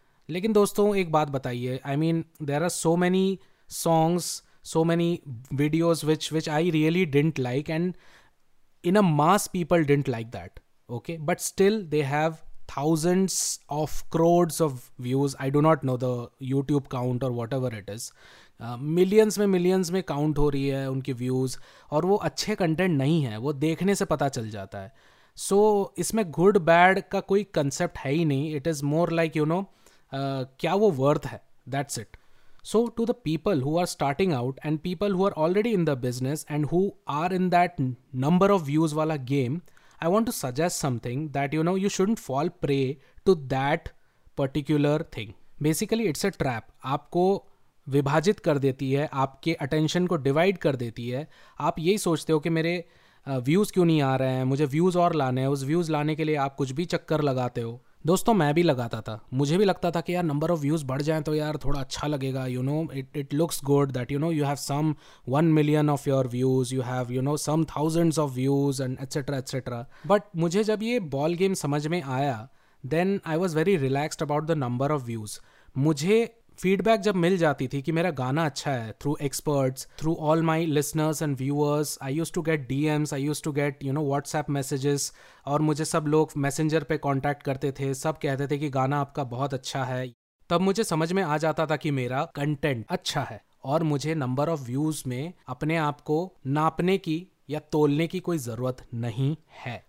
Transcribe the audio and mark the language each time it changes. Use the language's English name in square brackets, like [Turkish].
[Hindi] लेकिन दोस्तों एक बात बताइए, [English] I mean there are so many songs, so many videos which I really didn't like, and in a mass people didn't like that, okay, but still they have thousands of crores of views. I do not know the YouTube count or whatever it is. [Hindi] Millions में count हो रही है उनकी views, और वो अच्छे content नहीं है, वो देखने से पता चल जाता है. So इसमें good bad का कोई concept है ही नहीं. [English] It is more like, you know, [Hindi] क्या वो worth है, [English] that's it. So to the people who are starting out and people who are already in the business and who are in that number of views वाला game, I want to suggest something that, you know, you shouldn't fall prey to that particular thing. Basically, it's a trap. [Hindi] आपको विभाजित कर देती है, आपके attention को divide कर देती है. आप यही सोचते हो कि मेरे views क्यों नहीं आ रहे हैं, मुझे views और लाने हैं. उस views लाने के लिए आप कुछ भी चक्कर लगाते हो. दोस्तों, मैं भी लगाता था, मुझे भी लगता था कि यार number of views बढ़ जाएं तो यार थोड़ा अच्छा लगेगा. [English] You know, it looks good that, you know, you have some 1 million of your views, you have, you know, some thousands of views and etc. etc. But [Hindi] मुझे जब ये ball game समझ में आया, [English] then I was very relaxed about the number of views. [Hindi] मुझे feedback जब मिल जाती थी कि मेरा गाना अच्छा है, [English] through experts, through all my listeners and viewers, I use to get DMs, I use to get, you know, WhatsApp messages, [Hindi] और मुझे सब लोग मैसेंजर पे कॉन्टैक्ट करते थे, सब कहते थे कि गाना आपका बहुत अच्छा है. तब मुझे समझ में आ जाता था कि मेरा कंटेंट अच्छा है, और मुझे नंबर ऑफ व्यूज में अपने आप को नापने की या तोलने की कोई जरूरत नहीं है.